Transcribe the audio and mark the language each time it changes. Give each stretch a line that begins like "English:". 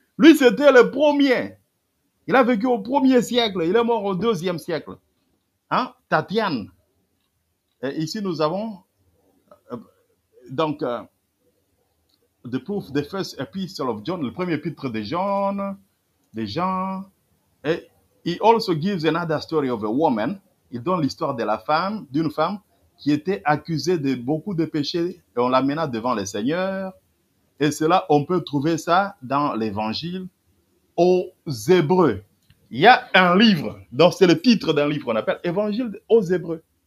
French: Lui, c'était le premier. Il a vécu au premier siècle, il est mort au deuxième siècle. Hein? Tatiane. Et ici, nous avons donc
English: The Proof, The First Epistle of John,
French: le premier épître de John, de Jean.
English: Et he also gives another story of a woman.
French: Il donne l'histoire de la femme, d'une femme qui était accusée de beaucoup de péchés et on l'amena devant le Seigneur. Et cela, on peut trouver ça dans l'Évangile aux Hébreux. Il y a un livre, donc c'est le titre d'un livre qu'on appelle Évangile aux Hébreux.